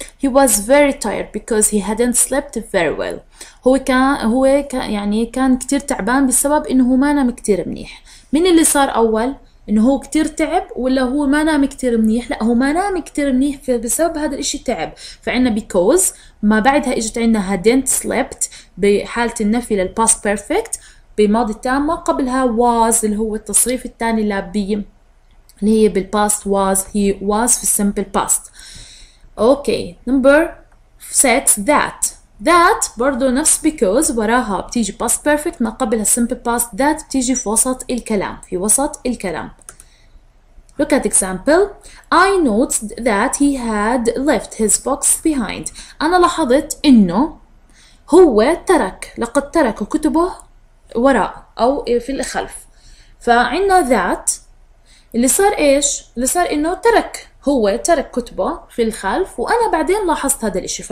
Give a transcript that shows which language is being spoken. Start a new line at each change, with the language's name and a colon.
English: he was very tired because he hadn't slept very well.
Arabic: هو كان يعني كان كتير تعبان بسبب انه هو ما نام كتير منيح. مين اللي صار اول؟ انه هو كتير تعب ولا هو ما نام كتير منيح؟ لا هو ما نام كتير منيح بسبب هذا الاشي تعب. فعنا because ما بعدها اجت عنا
English: hadn't slept
Arabic: بحالة النفي للpast perfect بماضي تام، ما قبلها was اللي هو التصريف الثاني لا be اللي هي بالpast was،
English: he was
Arabic: في simple past.
English: okay number 6
Arabic: that برضو نفس because وراها بتيجي past perfect ما قبلها simple past. that بتيجي في وسط الكلام، في وسط الكلام.
English: look at example. I noticed that he had left his box behind.
Arabic: أنا لاحظت إنه هو ترك، لقد ترك كتبه وراء أو في الخلف. فعنا that اللي صار إيش؟ اللي صار إنه ترك، هو ترك كتبه في الخلف وأنا بعدين لاحظت هذا الإشي.